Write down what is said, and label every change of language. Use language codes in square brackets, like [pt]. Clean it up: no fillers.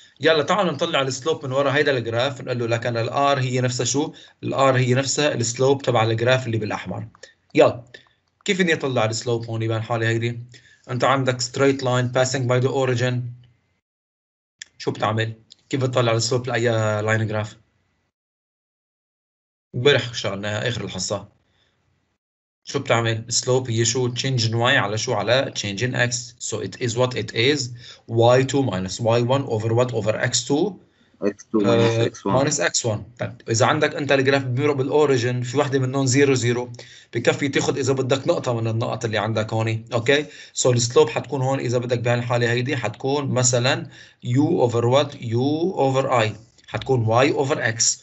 [ar] يلا تعالوا نطلع السلوب من ورا هيدا الجراف، نقول له لكن الـ R هي نفسها شو؟ الـ R هي نفسها السلوب تبع الجراف اللي بالأحمر. يلا، كيف بدي أطلع السلوب هون يبان حالي هيدي؟ انت عندك [en] straight line passing by the origin [ar] شو بتعمل؟ كيف بتطلع السلوب لاي line graph؟ امبارح اشتغلناها اخر الحصه. شو بتعمل؟ السلوب هي شو؟ [en] change in y [ar] على شو؟ على [en] change in x. So it is what it is y2 minus y1 over what over x2 x2 minus x1 minus x1. [ar] طيب اذا عندك انت الجراف بيمر بالاوريجن في وحده منهم 0 0 بكفي تاخذ اذا بدك نقطه من النقط اللي عندك هون. اوكي سو السلوب حتكون هون اذا بدك بهالحاله هيدي حتكون مثلا [en] u over what u over i [ar] حتكون y over x.